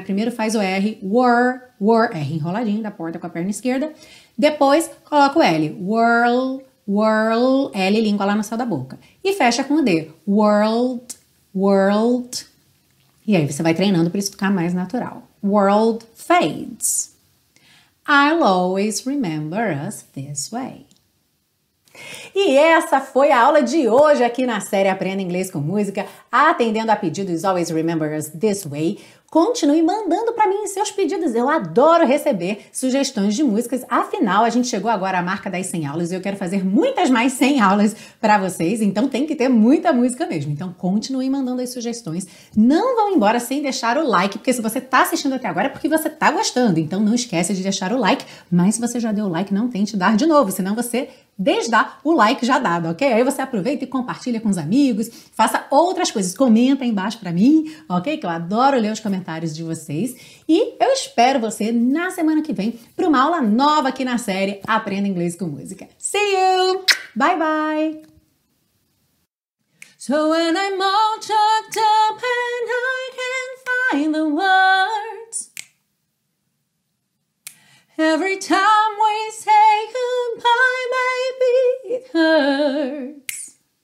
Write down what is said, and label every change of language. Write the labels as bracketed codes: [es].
[pt] Primeiro faz o R, R enroladinho da porta com a perna esquerda. Depois, coloca o L, world. World, L, língua lá no céu da boca. E fecha com o D. World, world. E aí você vai treinando para isso ficar mais natural. [en] World fades. I'll always remember us this way. [pt] E essa foi a aula de hoje aqui na série Aprenda Inglês com Música, atendendo a pedidos Always Remember Us This Way. Continue mandando para mim seus pedidos. Eu adoro receber sugestões de músicas. Afinal, a gente chegou agora à marca das 100 aulas e eu quero fazer muitas mais 100 aulas para vocês. Então, tem que ter muita música mesmo. Então, continue mandando as sugestões. Não vão embora sem deixar o like, porque se você está assistindo até agora é porque você está gostando. Então, não esquece de deixar o like. Mas se você já deu o like, não tente dar de novo, senão você desdá o like já dado, ok? Aí você aproveita e compartilha com os amigos, faça outras coisas, comenta aí embaixo pra mim, ok? Que eu adoro ler os comentários de vocês. E eu espero você na semana que vem para uma aula nova aqui na série Aprenda Inglês com Música. [en] See you! Bye, bye! So when I'm all choked up and I can't find the words, every time we say goodbye, baby, it hurts.